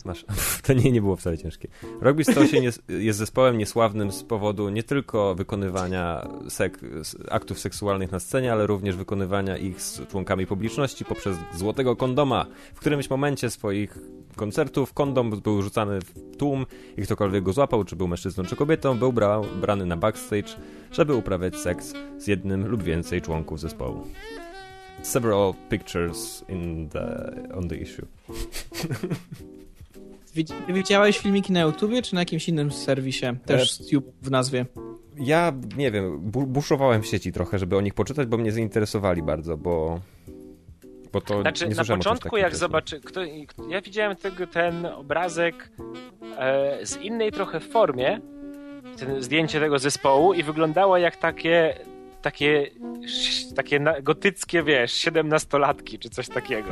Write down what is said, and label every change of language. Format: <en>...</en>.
<pl>Masz, to nie było wcale ciężkie. Rock Beach stał się, jest zespołem niesławnym z powodu nie tylko wykonywania aktów seksualnych na scenie, ale również wykonywania ich z członkami publiczności poprzez złotego kondoma. W którymś momencie swoich koncertów kondom był rzucany w tłum i ktokolwiek go złapał, czy był mężczyzną, czy kobietą, był brany na backstage, żeby uprawiać seks z jednym lub więcej członków zespołu.</pl> <en>Several pictures on the issue.</en> <pl>Widziałeś filmiki na YouTubie, czy na jakimś innym serwisie? Też YouTube w nazwie. Ja, nie wiem, buszowałem w sieci trochę, żeby o nich poczytać, bo mnie zainteresowali bardzo, bo to znaczy, nie na początku jak zobaczy... ja widziałem ten obrazek z innej trochę formie, zdjęcie tego zespołu i wyglądało jak takie gotyckie, wiesz, 17-latki czy coś takiego.</pl>